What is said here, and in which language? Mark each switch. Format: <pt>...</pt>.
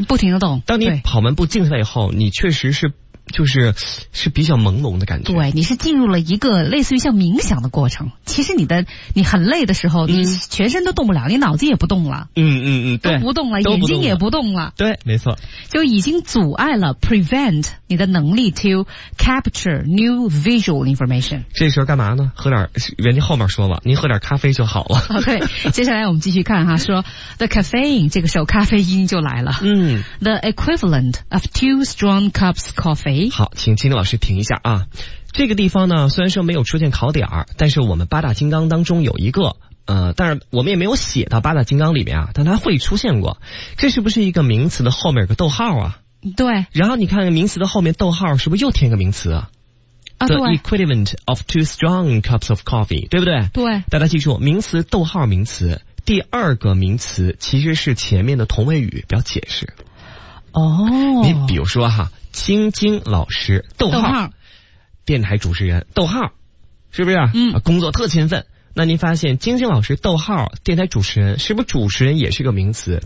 <zh>不停的动。当你跑完步静下来以后，你确实是就是是比较朦胧的感觉。对，你是进入了一个类似于像冥想的过程。其实你很累的时候，你全身都动不了，你脑子也不动了。对，都不动了，眼睛也不动了。对，没错。就已经阻碍了 prevent 你的能力</zh> <en>to capture new visual information。</en> <zh>这时候干嘛呢？喝点，人家后面说了，您喝点咖啡就好了。 OK， 接下来我们继续看哈，说</zh> <en>the caffeine，</en> <zh>这个时候咖啡因就来了。</zh> <en>The equivalent of two strong cups coffee。</en> <zh>好，请金老师停一下啊，这个地方呢虽然说没有出现考点，但是我们八大金刚当中有一个但是我们也没有写到八大金刚里面啊，但它会出现过，这是不是一个名词的后面有个逗号啊？对，然后你看名词的后面逗号是不是又添个名词啊？</zh> <en>The equivalent of two strong cups of coffee，</en> <zh>对不对？对，大家记住，名词逗号名词，第二个名词其实是前面的同位语，不要解释哦。你比如说哈，晶晶老师逗号，电台主持人逗号，是不是？工作特勤奋。那您发现晶晶老师逗号电台主持人，是不是主持人也是个名词？</zh>